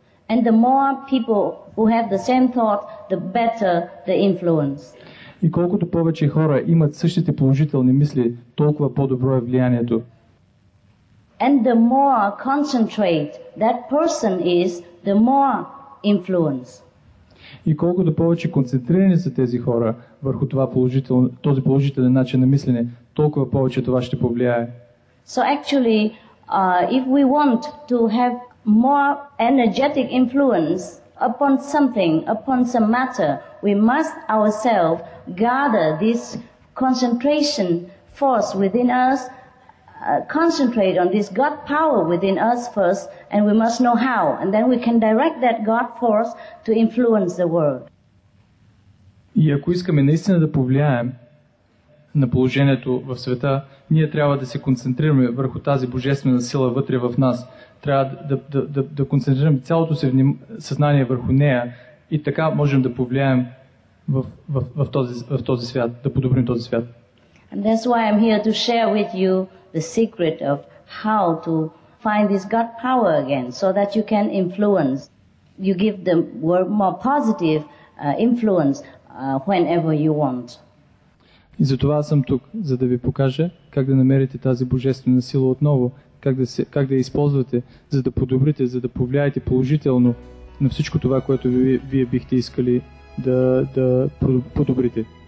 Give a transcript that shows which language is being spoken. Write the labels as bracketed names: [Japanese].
[English] And the more people who have the same thought, the better the influence. [Bulgarian] И колкото повече хора имат същите положителни мисли, толкова по-добро е влиянието. [English] And the more concentrate that person is, the more influence. [Bulgarian] И колкото повече концентрирани са тези хора върху това положително, този положителен начин на мислене, толкова повече това ще повлияе. [English] So actually, if we want to have more energetic influence upon something, upon some matter, we must ourselves gather this concentration force within us, concentrate on this God power within us first, and we must know how, and then we can direct that God force to influence the world. [Bulgarian] И ако искаме наистина да повлияем на положението в света, ние трябва да се концентрираме върху тази божествена сила вътре в нас. Трябва да концентрираме цялото си съзнание върху нея и така можем да повлияем в този свят, да подобрим този свят. [English] And that's why I'm here to share with you the secret of how to find this God power again, so that you can influence, you give the world more positive influence whenever you want. [Bulgarian] И затова съм тук, за да ви покажа как да намерите тази божествена сила отново, как да я използвате, за да подобрите, за да повлияете положително на всичко това, което вие бихте искали да подобрите.